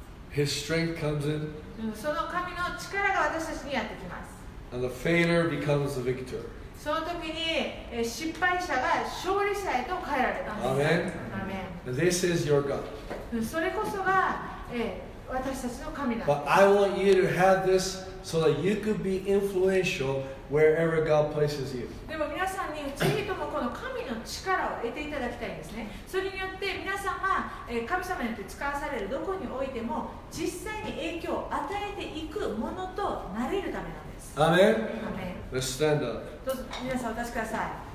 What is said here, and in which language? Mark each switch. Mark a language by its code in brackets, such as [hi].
[en] His strength comes in. [ja] その神の力が私たちにやってきます。 [en] And the failure becomes the victor. [ja] その時に失敗者が勝利者へと変えられたんです。 [en] Amen. Amen. This is your God. [ja] それこそが私たちの神なんです。 [en] But I want you to have this so that you could be influential wherever God places you. [ja] でも皆さんにぜひともこの神の力を得ていただきたいんですね。それによって皆さんは神様によって使わされるどこにおいても実際に影響を与えていくものとなれるためなんです。アメン。アメン。 [en] Let's stand up. [ja] どうぞ皆さんお立ちください。